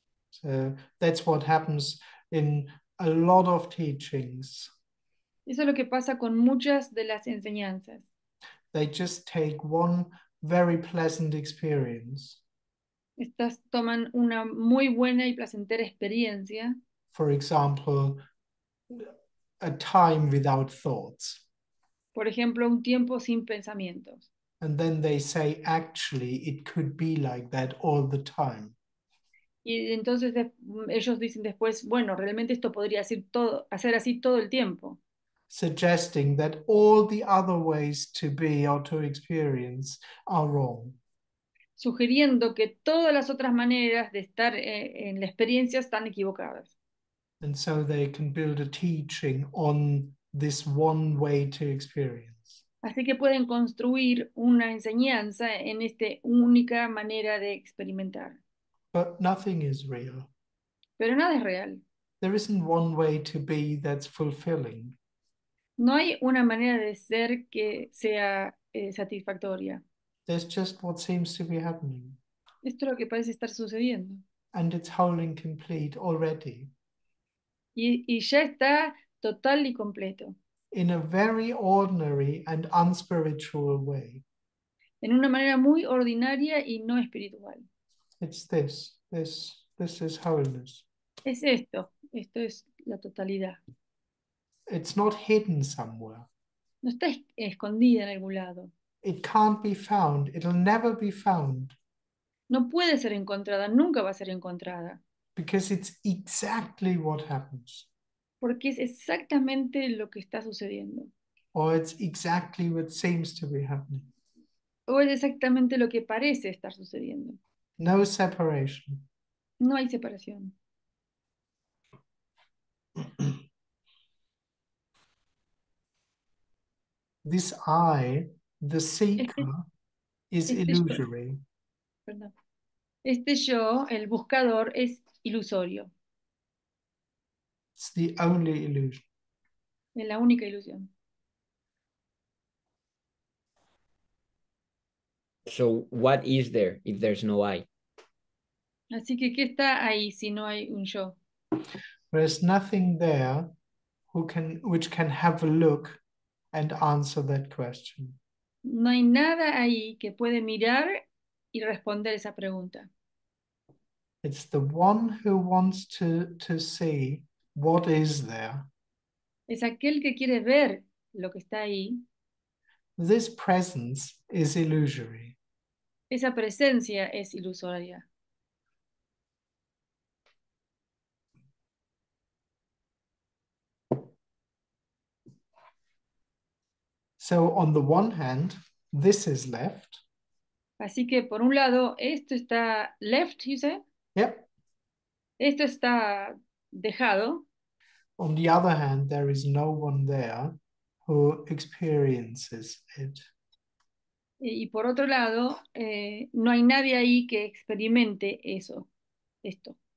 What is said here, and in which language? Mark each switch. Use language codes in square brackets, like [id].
[en] So that's what happens in a lot of teachings. [es] Eso es lo que pasa con muchas de las enseñanzas. [en] They just take one very pleasant experience. [es] Estas toman una muy buena y placentera experiencia. [en] For example, a time without thoughts. [es] Por ejemplo, un tiempo sin pensamientos. [en] And then they say, actually, it could be like that all the time. [es] Y entonces ellos dicen después, bueno, realmente esto podría ser todo, hacer así todo el tiempo. [en] Suggesting that all the other ways to be or to experience are wrong. [es] Sugiriendo que todas las otras maneras de estar en la experiencia están equivocadas. [en] And so they can build a teaching on this one way to experience. [es] Así que pueden construir una enseñanza en esta única manera de experimentar. [en] But nothing is real. [es] Pero nada es real. [en] There isn't one way to be that's fulfilling. [es] No hay una manera de ser que sea satisfactoria. [en] There's just what seems to be happening. [es] Esto es lo que parece estar sucediendo. [en] And it's whole and complete already. [es] Y ya está total y completo. [en] In a very ordinary and unspiritual way. [es] En una manera muy ordinaria y no espiritual. [en] It's this is wholeness. [es] Es esto, esto es la totalidad. [en] It's not hidden somewhere. [es] No está escondida en algún lado. [en] It can't be found. It'll never be found. [es] No puede ser encontrada, nunca va a ser encontrada. [en] Because it's exactly what happens. [es] Porque es exactamente lo que está sucediendo. [en] Or it's exactly what seems to be happening. [es] O es exactamente lo que parece estar sucediendo. [en] No separation. [es] No hay separación. [en] This I, the seeker, is illusory. [es] Perdón. Este yo, el buscador, es ilusorio. [en] It's the only illusion. [es] Es la única ilusión. [en] So what is there if there's no I? [es] Así que, ¿qué está ahí si no hay un yo? [en] There's nothing there which can have a look and answer that question. [es] No hay nada ahí que puede mirar y responder esa pregunta. [en] It's the one who wants to see what is there. [es] Es aquel que quiere ver lo que está ahí. [en] This presence is illusory. [es] Esa presencia es ilusoria. [en] So on the one hand, this is left. [es] Así que por un lado, esto está [en] left, you said? Yep. [es] Esto está dejado. [en] On the other hand, there is no one there who experiences it. [es] Y por otro lado, no hay nadie ahí que experimente eso, esto.